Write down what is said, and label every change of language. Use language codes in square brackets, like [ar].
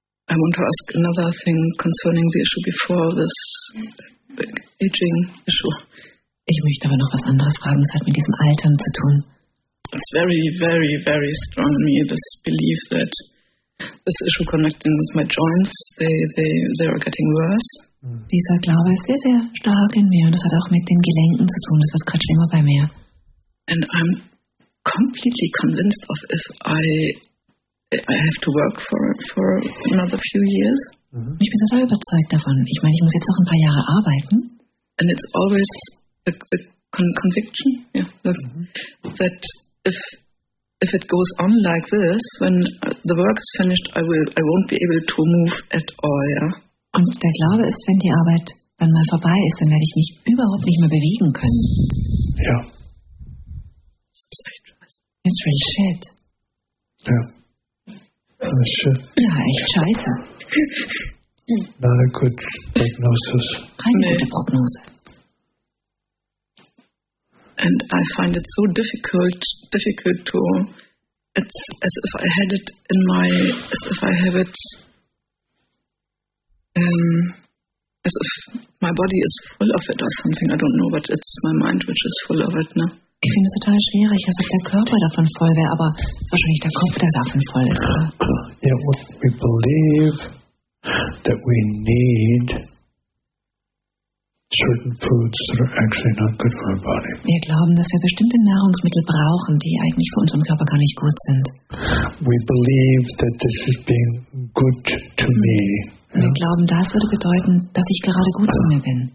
[en] I want to ask another thing concerning the issue before this aging issue. [de] Ich möchte aber noch was anderes fragen, das hat mit diesem Altern zu tun. [en] It's very, very, very strong in me, this belief that this issue connecting with my joints, they are getting worse. [de] Dieser Glaube ist sehr, sehr stark in mir und das hat auch mit den Gelenken zu tun. Das wird gerade schlimmer bei mir. [en] And I'm completely convinced of if I have to work for another few years. [de] Mm-hmm. Ich bin total überzeugt davon. Ich meine, ich muss jetzt noch ein paar Jahre arbeiten. [en] And it's always the conviction, yeah, that if it goes on like this, when the work is finished, I won't be able to move at all. Yeah? [de] Und der Glaube ist, wenn die Arbeit dann mal vorbei ist, dann werde ich mich überhaupt nicht mehr bewegen können. Ja. [en] It's real shit. Ja. It's shit. [de] Ja, echt scheiße. [en] Not a good prognosis. [de] Keine gute Prognose. [en] And I find it so difficult to, it's as if I had it in my, as if I have it, as if my body is full of it or something, I don't know, but it's my mind which is full of it, ne? [de] Ich finde es total schwierig, als ob der Körper davon voll wäre, aber es ist wahrscheinlich der Kopf, der davon voll ist, oder? [en] Yeah, what we believe that we need certain foods that are actually not good for our body. [de] Wir glauben, dass wir bestimmte Nahrungsmittel brauchen, die eigentlich für unseren Körper gar nicht gut sind. [en] We believe that this is being good to me. [de] Wir glauben, das würde bedeuten, dass ich gerade gut zu mir bin.